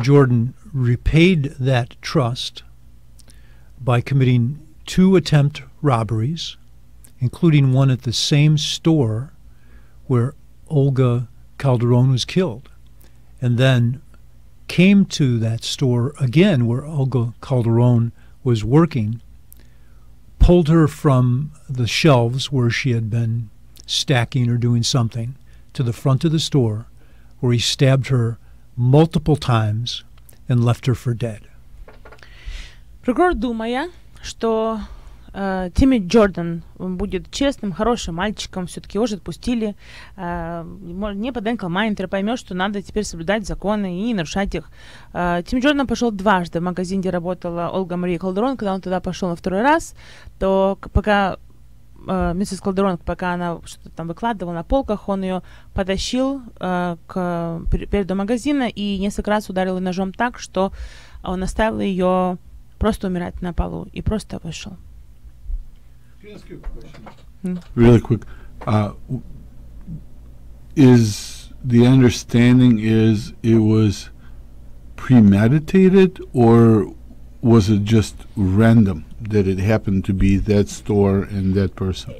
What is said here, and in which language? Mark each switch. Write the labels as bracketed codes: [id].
[en] Jordan repaid that trust by committing two attempt robberies, including one at the same store where Olga Calderon was killed, and then came to that store again where Olga Calderon was working, pulled her from the shelves where she had been stacking or doing something to the front of the store where he stabbed her multiple times and left her for dead. [ru] Прокурор, думая, что Тимми Джордан, он будет честным, хорошим мальчиком, все-таки его же отпустили. Не под энкл-майнтер, поймешь, что надо теперь соблюдать законы и не нарушать их. Тимми Джордан пошел дважды в магазин, где работала Ольга Мария Калдерон. Когда он туда пошел на второй раз, то пока миссис Калдерон, пока она что-то там выкладывала на полках, он ее потащил к переду магазина и несколько раз ударил ножом так, что он оставил ее просто умирать на полу и просто вышел. [en] Really quick, is the understanding is it was premeditated or was it just random that it happened to be that store and that person?